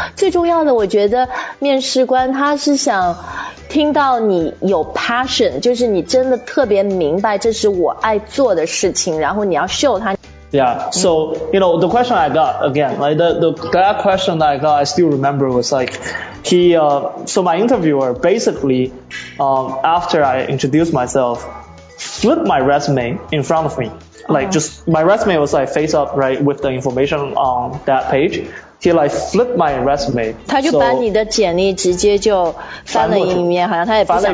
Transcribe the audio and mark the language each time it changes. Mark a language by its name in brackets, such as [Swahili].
[Chinese] 最重要的我觉得面试官他是想听到你有 passion， 就是你真的特别明白这是我爱做的事情，然后你要秀他。 [English] Yeah, so, you know, the question I got, again, like, that question that I got, I still remember was like, so my interviewer basically, after I introduced myself, flipped my resume in front of me. Like, just, my resume was like face up, right, with the information on that page. He like flipped my resume. [Chinese] 他就把你的简历直接就翻了一面，好像他也不想看。